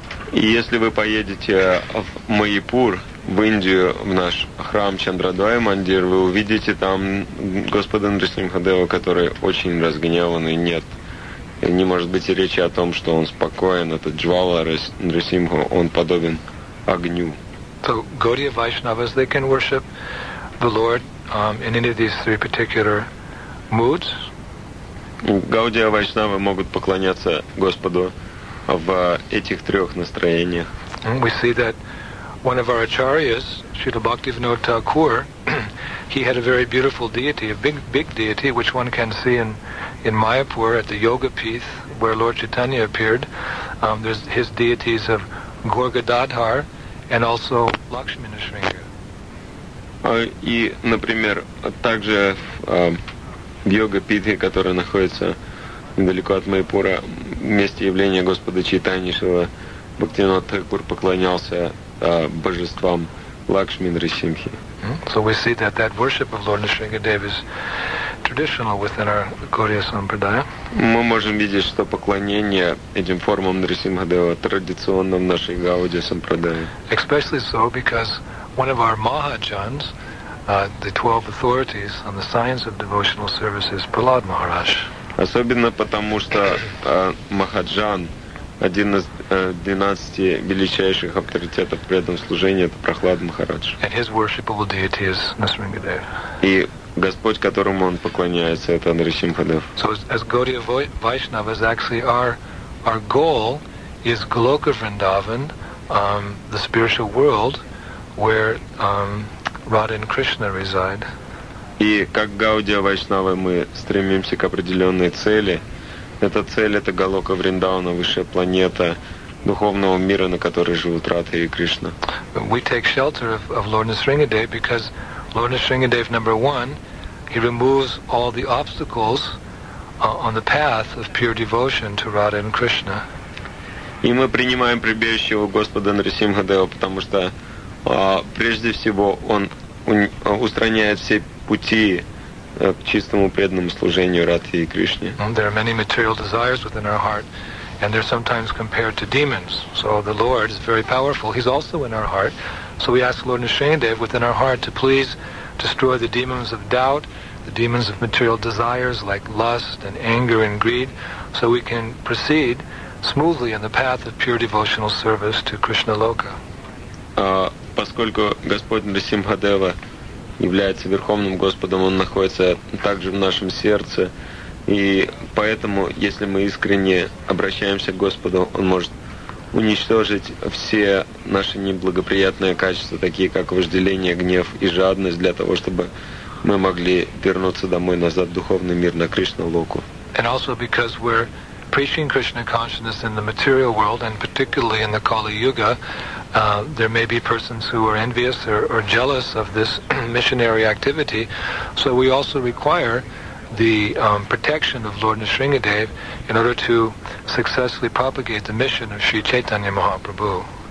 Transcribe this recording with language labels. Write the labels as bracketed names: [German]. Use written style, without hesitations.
[Russian] И если вы поедете в Майяпур, в Индию, в наш храм Чандрадвая Мандир, вы увидите там Господа Нрисимхадева, который очень разгневанный. Нет, не может быть и речи о том, что он спокоен. Это Джвала Нрисимха, он подобен огню. [English] the Gaudiya Vaishnavas, they can worship the Lord in any of these three particular moods. [Russian] Gaudiya Vaishnava могут поклоняться Господу в этих трех настроениях. [English] We see that one of our acharyas, Srila Bhaktivinoda Thakur, he had a very beautiful deity, a big, big deity, which one can see in Mayapur at the Yogapith, where Lord Chaitanya appeared. There's his deities of Gorga Dadhar and also Lakshmi Nisringa. [Russian] И, например, также в Йога-Питхе, которая находится далеко от Майпура, месте явления Господа Чайтаньи Шрила Бхактивинода Тхакур поклонялся божествам Лакшми Нрисимхи. [English] So we see that that worship of Lord Nisringadev is traditional within our Gaudiya Sampradaya. [Russian] Мы можем видеть, что поклонение этим формам Нрисимхадева традиционно в нашей Гаудия Сампрадая. [English] Especially so because one of our Mahajans, the 12 authorities on the science of devotional service is Prahlad Maharaj. [Russian] Особенно потому, что Махаджан, один из 12 величайших авторитетов преданного служения, это Прахлад Махарадж. [English] And his worshipable deity is Nrisimhadev. [Russian] И Господь, которому он поклоняется, это Нрисимхадев. [English] So as Gaudiya Vaishnavas, actually our goal is Goloka Vrindavan, the spiritual world, where Radha and Krishna reside. [Russian] И как Гаудия Вайшнава мы стремимся к определенной цели. Эта цель — это Голока Вриндауна, высшая планета духовного мира, на которой живут Радха и Кришна. [English] We take shelter of Lord Nisringadev because Lord Nisringadev, number one, he removes all the obstacles on the path of pure devotion to Radha and Krishna. [Russian] И мы принимаем прибежище у Господа Нрисимхадева, потому что прежде всего он устраняет все пути к чистому преданному служению Радхе и Кришне. [English] There are many material desires within our heart, and they're sometimes compared to demons. So the Lord is very powerful. He's also in our heart. So we ask Lord Nisringadev within our heart to please destroy the demons of doubt, the demons of material desires like lust and anger and greed, so we can proceed smoothly in the path of pure devotional service to Krishna Loka. [Russian] Поскольку Господь Нрисимхадева является Верховным Господом, Он находится также в нашем сердце. И поэтому, если мы искренне обращаемся к Господу, Он может уничтожить все наши неблагоприятные качества, такие как вожделение, гнев и жадность, для того, чтобы мы могли вернуться домой назад в духовный мир, на Кришна-локу. [English] And also because we're preaching Krishna consciousness in the material world, and particularly in the Kali-Yuga, there may be persons who are envious or jealous of this missionary activity. So we also require the protection of Lord Nisringadev in order to successfully propagate the mission of Sri Chaitanya Mahaprabhu.